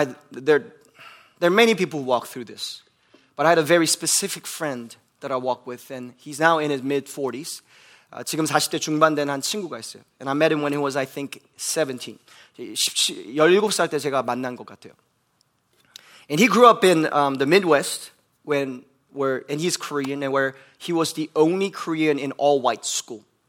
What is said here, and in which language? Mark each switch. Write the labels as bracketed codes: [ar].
[en] There are many people who walk through this. But I had a very specific friend that I walked with. And he's now in his mid-40s. [ko] 지금 40대 중반된 한 친구가 있어요. [en] And I met him when he was, I think, 17. [ko] 17살 때 제가 만난 것 같아요. [en] And he grew up in the Midwest, and he's Korean, and where he was the only Korean in all white school.